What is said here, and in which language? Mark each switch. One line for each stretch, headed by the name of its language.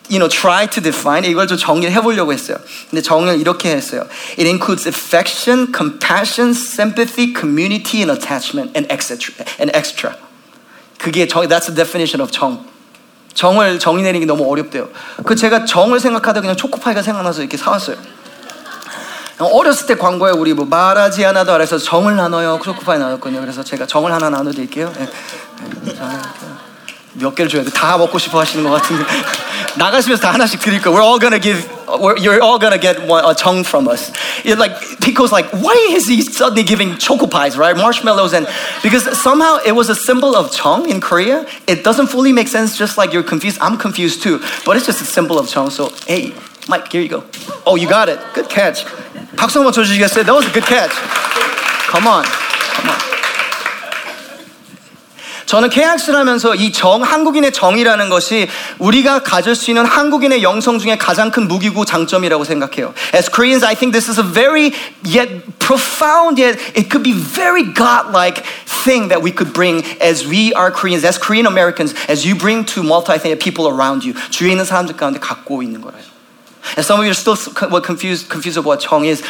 English: Try to define,
Korean: 이걸 좀 정의를 해보려고 했어요. 근데 정의를 이렇게 했어요.
English: It includes affection, compassion, sympathy, community, and attachment, and extra.
Korean: 그게 정,
English: that's the definition of 정.
Korean: 정을 정의 내리는 게 너무 어렵대요. 그 제가 정을 생각하다 그냥 초코파이가 생각나서 이렇게 사왔어요. 어렸을 때 광고에 우리 뭐 말하지 않아도 알아서 정을 나눠요. 초코파이 나눴거든요. 그래서 제가 정을 하나 나눠드릴게요. 네. 몇 개를 줘야 돼? 다 먹고 싶어 하시는 것 같은데. 나가시면서 다 하나씩 드릴 거예요.
English: You're all gonna get a chunk from us. It like, Pico's like, why is he suddenly giving choco pies, right? Marshmallows and, because somehow it was a symbol of chunk in Korea. It doesn't fully make sense, just like you're confused. I'm confused too, but it's just a symbol of chunk. So, hey, Mike, here you go. Oh, you got it. Good catch.
Korean: 박수 한번 쳐주시겠어요?
English: That was a good catch. Come on.
Korean: 저는 KX를 하면서 이 정, 한국인의 정이라는 것이 우리가 가질 수 있는 한국인의 영성 중에 가장 큰 무기고 장점이라고 생각해요.
English: As Koreans, I think this is a very yet profound, yet it could be very God-like thing that we could bring as we are Koreans, as Korean Americans, as you bring to multi-ethnic people around you.
Korean: 주위에 있는 사람들 가운데 갖고 있는 거예요.
English: And some of you are still confused about what 정 is.